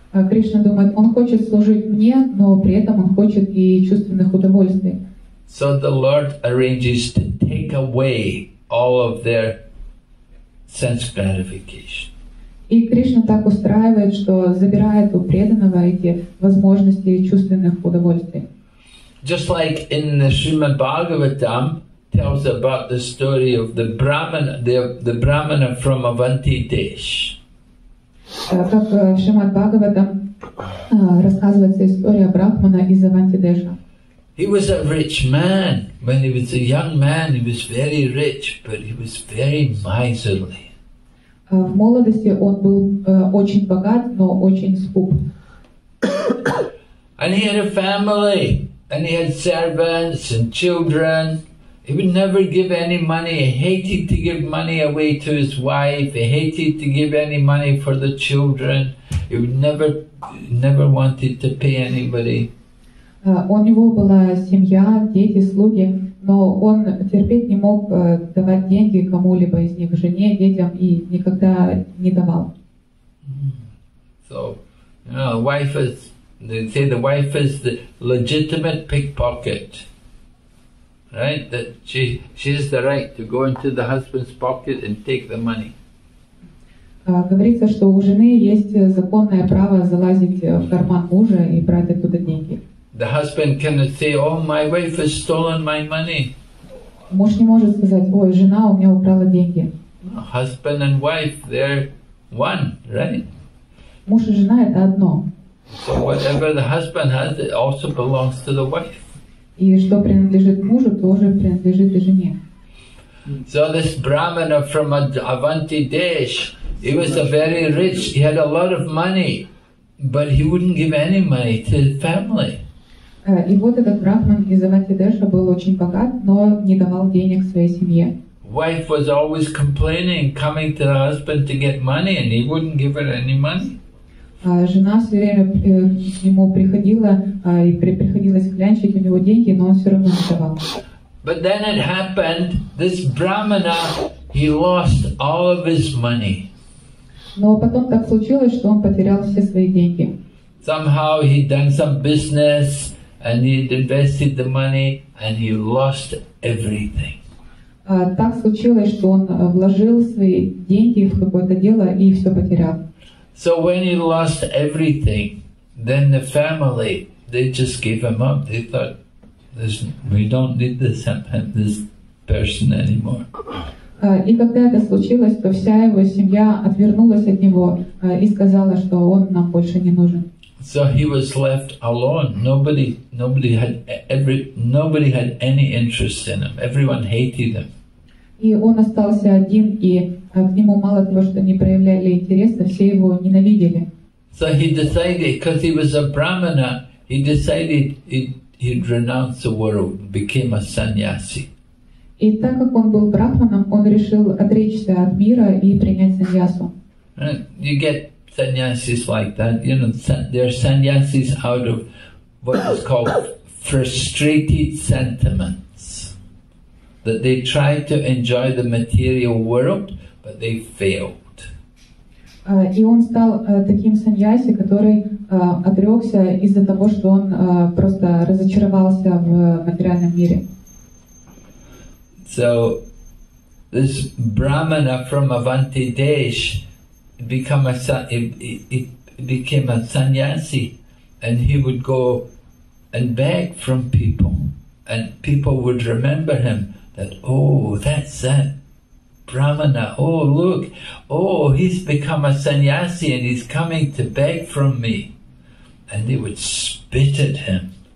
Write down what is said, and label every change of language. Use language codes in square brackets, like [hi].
[ru] Кришна думает, он хочет служить мне, но при этом он хочет и чувственных удовольствий. [en] So the Lord arranges to take away all of their sense gratification. [ru] И Кришна так устраивает, что забирает у преданного эти возможности чувственных удовольствий. [en] Just like in the Srimad Bhagavatam tells about the story of the brahmana from Avanti Desh. [ru] Как Шримад Бхагаватам рассказывается история брахмана из Аванти Деша. [en] He was a rich man when he was a young man. He was very rich, but he was very miserly. [ru] В молодости он был очень богат, но очень скуп. [en] And he had a family, and he had servants and children. He would never give any money. He hated to give money away to his wife. He hated to give any money for the children. He would never wanted to pay anybody. [ru] У него была семья, дети, слуги, но он терпеть не мог давать деньги кому-либо из них, жене, детям, и никогда не давал. [en] So, you know, wife is, they say the wife is the legitimate pickpocket, right? That she has the right to go into the husband's pocket and take the money. [ru] Говорится, что у жены есть законное право залазить в карман мужа и брать оттуда деньги. [en] The husband cannot say, "Oh, my wife has stolen my money." [ru] Муж не может сказать, ой, жена у меня украла деньги. [en] Husband and wife, they're one, right? [ru] Муж и жена это одно. [en] So whatever the husband has, it also belongs to the wife. [ru] И что принадлежит мужу, тоже принадлежит и жене. [en] So this brahmana from Avanti Desh, he was a very rich. He had a lot of money, but he wouldn't give any money to the family. [ru] И вот этот брахман из Авантидеша был очень богат, но не давал денег своей семье. [en] Wife was always complaining, coming to the husband to get money, and he wouldn't give her any money. [ru] Жена все время к нему приходила и приходилось клянчить у него деньги, но он все равно не давал. [en] But then it happened, this brahmana, he lost all of his money. [ru] Но потом так случилось, что он потерял все свои деньги. [en] Somehow he'd done some business. And he had invested the money, and he lost everything. [ru] Так случилось, что он вложил свои деньги в какое-то дело и все потерял. [en] So when he lost everything, then the family, they just gave him up. They thought, we don't need this person anymore. [ru] И когда это случилось, то вся его семья отвернулась от него и сказала, что он нам больше не нужен. [en] So he was left alone. Nobody had any interest in him. Everyone hated him. [ru] И он остался один, и к нему мало того, что не проявляли интереса, все его ненавидели. [en] So he decided, because he was a brahmana, he decided he'd renounce the world, became a sannyasi. [ru] И так как он был брахманом, он решил отречься от мира и принять саньясу. [en] You get sannyasis like that, you know, there are sannyasis out of what is called frustrated sentiments, that they try to enjoy the material world, but they failed. [ru] И он стал таким саньяси, который отрекся из-за того, что он просто разочаровался в материальном мире. [en] So, this brahmana from Avanti Desh, became a sannyasi, and he would go and beg from people, and people would remember him that, oh, that's that brahmana, oh look, oh, he's become a sannyasi and he's coming to beg from me, and they would spit at him.